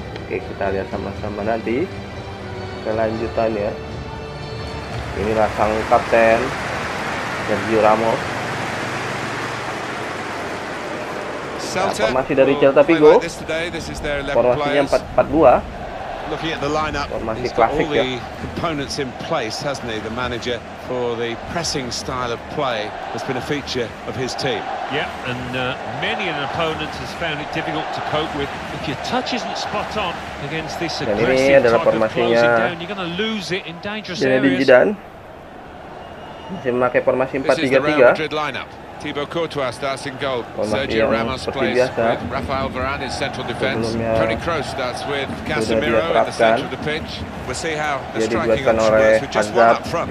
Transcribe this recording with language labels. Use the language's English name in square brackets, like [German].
[Indonesian] Oke, kita lihat sama-sama nanti kelanjutannya. Inilah sang kapten Sergio Ramos. Nah, formasi dari Celta Vigo, formasinya 4-4-2, formasi klasik ya. [English] Components in place, hasn't he? The manager for the pressing style of play has been a feature of his team. Yeah, and many an opponent has found it difficult to cope with. If your touch isn't spot on against this aggressive type of closing down, you're going to lose it in dangerous areas. Zinedine [Indonesian] Zidane masih memakai formasi 4-3-3. [English] Thibaut Courtois starts in goal. Sergio Ramos plays with Rafael Varane in central defense. Toni Kroos starts with Casemiro in the center of the pitch. We'll see how the striking works with just one up front.